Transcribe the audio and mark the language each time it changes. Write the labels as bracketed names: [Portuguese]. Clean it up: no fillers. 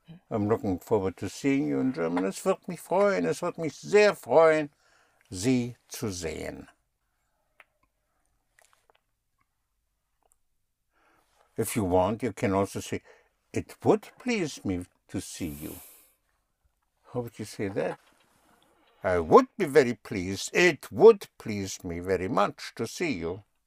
[English] I'm looking forward to seeing you in German. [German] Es wird mich freuen. Es wird mich sehr freuen, Sie zu sehen. [English] If you want, you can also say, it would please me to see you. How would you say that? I would be very pleased. It would please me very much to see you.